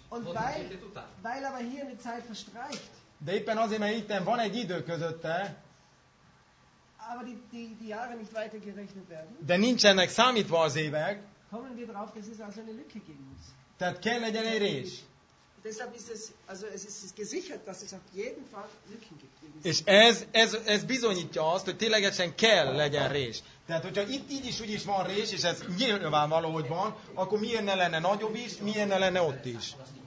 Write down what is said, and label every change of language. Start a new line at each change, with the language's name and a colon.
German: Und weil aber hier eine Zeit verstreicht.
Hungarian: De éppen azért, mert itten van egy idő közötte.
German: Aber die Jahre nicht weiter gerechnet werden.
Hungarian: De nincsenek számítva az évek.
German: Kommen wir drauf, dass es also eine Lücke geben muss.
Hungarian: Tehát kell legyen egy rés.
German: Deshalb ist es, also es ist gesichert, dass es auf jeden Fall Lücken gibt.
Hungarian: És ez bizonyítja azt, hogy ténylegesen kell legyen rés. Tehát, hogyha itt így is, úgy is van rés, és ez nyilvánvaló, hogy van, akkor miért ne lenne nagyobb is, miért ne lenne ott is?